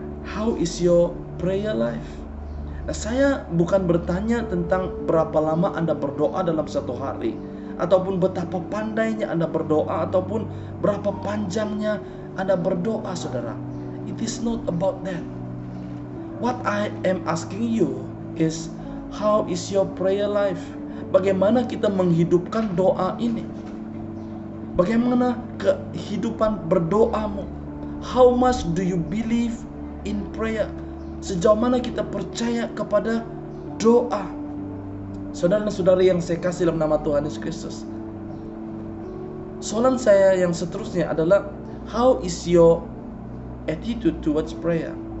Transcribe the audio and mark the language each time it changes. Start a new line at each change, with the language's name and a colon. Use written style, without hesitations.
English: How is your prayer life?
Malay: Nah, saya bukan bertanya tentang berapa lama Anda berdoa dalam satu hari, ataupun betapa pandainya Anda berdoa, ataupun berapa panjangnya Anda berdoa, saudara.
English: It is not about that. What I am asking you is, how is your prayer life?
Malay: Bagaimana kita menghidupkan doa ini? Bagaimana kehidupan berdoamu?
English: How much do you believe in prayer?
Malay: Sejauh mana kita percaya kepada doa? Saudara-saudari yang saya kasih dalam nama Tuhan Yesus Kristus, soalan saya yang seterusnya adalah,
English: how is your attitude towards prayer?